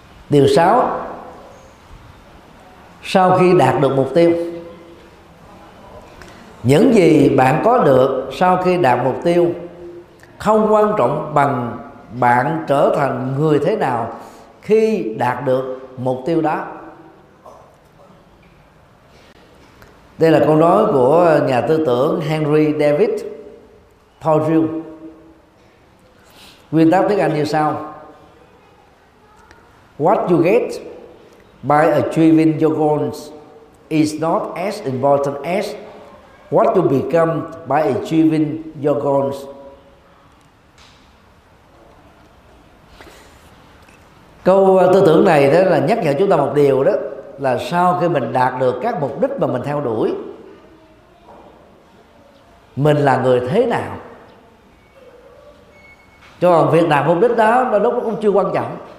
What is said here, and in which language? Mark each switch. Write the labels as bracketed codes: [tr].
[vi] Điều 6, sau khi đạt được mục tiêu, những gì bạn có được sau khi đạt mục tiêu không quan trọng bằng bạn trở thành người thế nào khi đạt được mục tiêu đó. Đây là câu nói của nhà tư tưởng Henry David Thoreau. Nguyên tắc tiếng Anh như sau: [en] What you get by achieving your goals is not as important as what you become by achieving your goals. [vi] Câu tư tưởng này đó là nhắc nhở chúng ta một điều, đó là sau khi mình đạt được các mục đích mà mình theo đuổi, mình là người thế nào. Cho còn việc đạt mục đích đó nó lúc nó cũng chưa quan trọng.